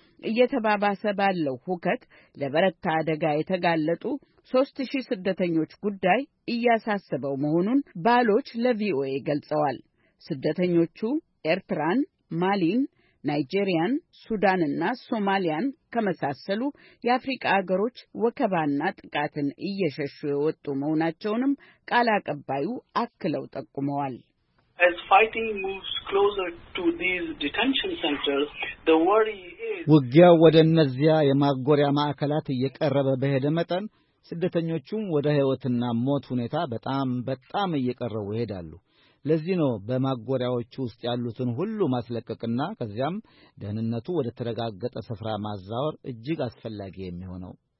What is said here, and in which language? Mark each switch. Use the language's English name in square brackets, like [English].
[Amharic] እየተባባሰ ባለው ሁከት ለበረታ አደጋ የተጋለጡ 3000 ስደተኞች ጉዳይ እያሳሰበው መሆኑን ባሎች ለቪኦኤ ገልጸዋል። ስደተኞቹ ኤርትራን፣ ማሊን፣ ናይጄሪያን፣ ሱዳንና ሶማሊያን ከመሳሰሉ የአፍሪካ አገሮች ወከባና ጥቃትን እየሸሹ የወጡ መሆናቸውንም ቃል አቀባዩ አክለው ጠቁመዋል። [English] As fighting moves closer to these detention centers, the worry is [Amharic] ውጊያ ወደ እነዚያ የማጎሪያ ማዕከላት እየቀረበ በሄደ መጠን ስደተኞቹም ወደ ህይወትና ሞት ሁኔታ በጣም እየቀረቡ ይሄዳሉ። ለዚህ ነው በማጎሪያዎቹ ውስጥ ያሉትን ሁሉ ማስለቀቅና ከዚያም ደህንነቱ ወደ ተረጋጋ ስፍራ ማዛወር እጅግ አስፈላጊ የሚሆነው።